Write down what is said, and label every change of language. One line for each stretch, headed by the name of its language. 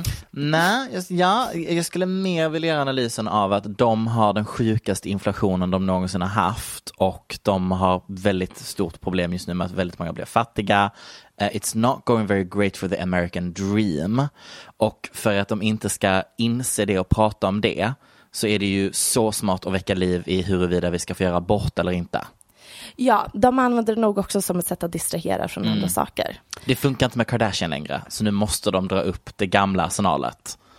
Swedish: Nej, jag skulle mer vilja göra analysen av att de har den sjukaste inflationen de någonsin har haft och de har väldigt stort problem just nu med att väldigt många blir fattiga.
English: It's not going very great for the American dream.
Swedish: Och för att de inte ska inse det och prata om det så är det ju så smart att väcka liv i huruvida vi ska få göra abort eller inte. Ja, de använder det nog också som ett sätt att distrahera från andra saker. Det funkar inte med Kardashian längre, så nu måste de dra upp det gamla arsenalet.